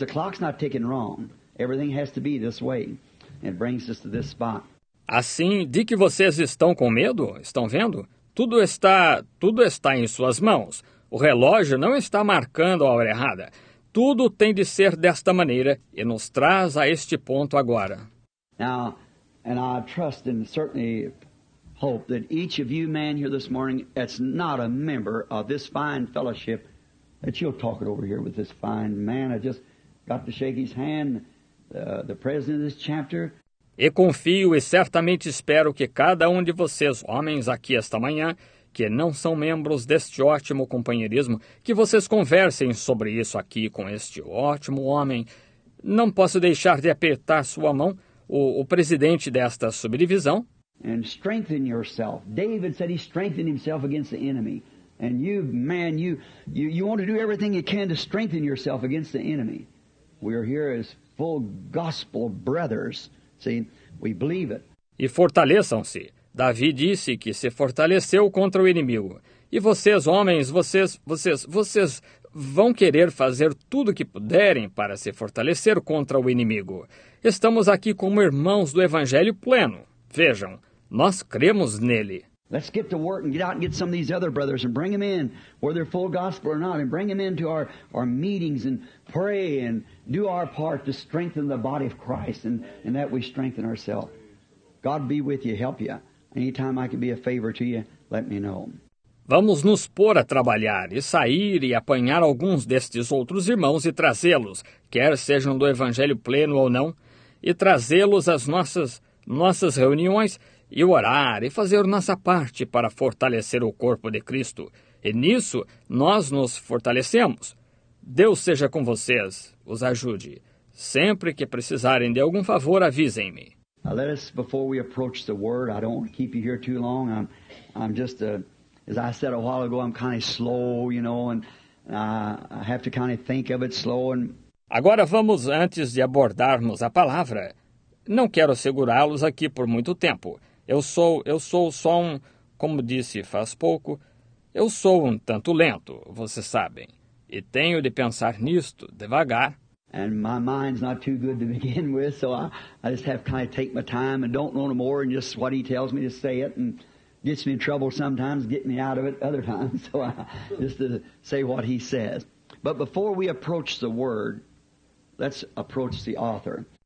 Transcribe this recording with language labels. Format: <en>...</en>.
<en>The clock's not ticking wrong. Everything has to be this way. And it brings us to this spot.</en> <pt>Assim, de que vocês estão com medo? Estão vendo? Tudo está em suas mãos. O relógio não está marcando a hora errada. Tudo tem de ser desta maneira e nos traz a este ponto agora.</pt> <en>Now, and I trust and certainly hope that each of you men here this morning that's not a member of this fine fellowship that you'll talk it over here with this fine man. I just got to shake his hand, the president of this chapter.</en> <pt>E confio e certamente espero que cada um de vocês, homens aqui esta manhã, que não são membros deste ótimo companheirismo, que vocês conversem sobre isso aqui com este ótimo homem. Não posso deixar de apertar sua mão, o presidente desta subdivisão.</pt> <en>And strengthen yourself. David said he strengthened himself against the enemy. And you, man, you want to do everything you can to strengthen yourself against the enemy. We are here as full gospel brothers. See, we believe it.</en> <pt>E fortaleçam-se. Davi disse que se fortaleceu contra o inimigo. E vocês, homens, vocês vão querer fazer tudo o que puderem para se fortalecer contra o inimigo. Estamos aqui como irmãos do Evangelho pleno. Vejam, nós cremos nele.</pt> <en>Let's get to work and get out and get some of these other brothers and bring them in, whether they're full gospel or not, and bring them into our meetings and pray and do our part to strengthen the body of Christ and that we strengthen ourselves. God be with you, help you. Anytime I can be a favor to you, let me know.</en> <pt>Vamos nos pôr a trabalhar e sair e apanhar alguns destes outros irmãos e trazê-los, quer sejam do Evangelho pleno ou não, e trazê-los às nossas reuniões. E orar e fazer nossa parte para fortalecer o corpo de Cristo. E nisso, nós nos fortalecemos. Deus seja com vocês. Os ajude. Sempre que precisarem de algum favor, avisem-me.</pt> <en>Let us, before we approach the word, I don't want to keep you here too long. As I said a while ago, I'm kind of slow, you know, and I have to kind of think of it slow.</en> <pt>Agora vamos, antes de abordarmos a palavra, não quero segurá-los aqui por muito tempo. Eu sou só um, como disse faz pouco, eu sou um tanto lento, vocês sabem. E tenho de pensar nisto devagar.</pt> <en>And my mind's not too good to begin with, so I just have to kind of take my time and don't know no more and just what he tells me to say it and gets me in trouble sometimes, get me out of it other times, so I just to say what he says. But before we approach the word, let's approach the author.</en>